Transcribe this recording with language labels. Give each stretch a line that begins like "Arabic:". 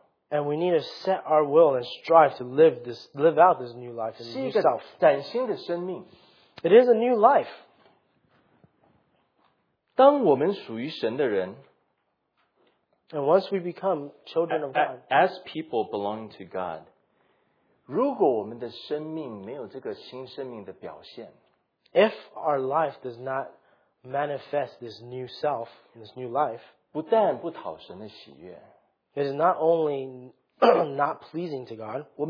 English: And we need to set our will and strive to live out this new life in the new self. It is a new life.
Chinese: 当我们属于神的人,
English: and once we become children of God, as people belonging to God,
Chinese: 如果我们的生命没有这个新生命的表现,
English: if our life does not manifest this new self, this new life,
Chinese: 不但不讨神的喜悦,
English: it is not only not pleasing to God,